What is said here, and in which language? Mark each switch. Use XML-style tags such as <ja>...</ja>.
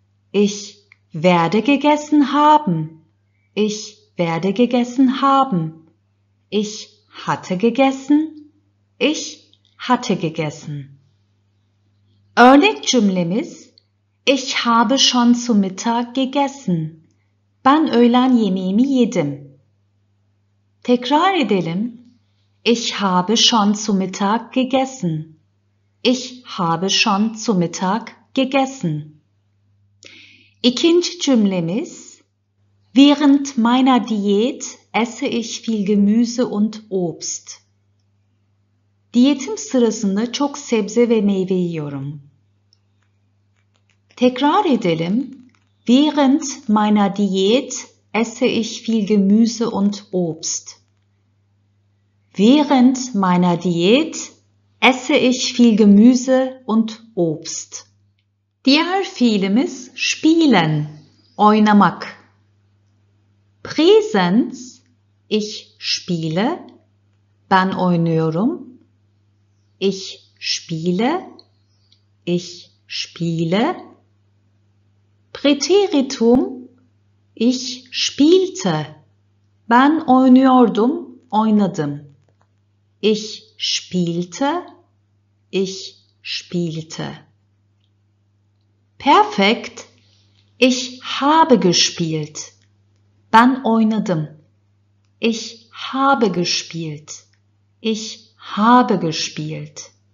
<de>Ich werde gegessen haben. Ich werde gegessen haben. Ich hatte gegessen. Ich hatte gegessen.</de> <tr>Örnekcümlemiz.</tr> <de>Ich habe schon zu Mittag gegessen.</de> <tr>Ben öğlen yemeğimi yedim. Tekrar edelim.</tr> <de>Ich habe schon zu Mittag gegessen. Ich habe schon zu Mittag gegessen.</de> <tr>İkinci cümlemiz.</tr> <de>Während meiner Diät esse ich viel Gemüse und Obst.</de> <tr>Diyetim sırasında çok sebze ve meyve yiyorum. Tekrar edelim.</tr> <de>Während meiner Diät esse ich viel Gemüse und Obst. Während meiner Diät esse ich viel Gemüse und Obst.</de> <tr>Diğer fiilimiz spielen, oynamak.</tr> <de>Präsens, ich spiele,</de> <tr>ben oynuyorum.</tr> <de>Ich spiele, ich spiele. Präteritum, ich spielte,</de> <tr>ben oynuyordum, oynadım.</tr> <de>Ich spielte, ich spielte. Perfekt, ich habe gespielt,</de> <tr>ben oynadım.</tr> <de>Ich habe gespielt, ich habe gespielt.</de>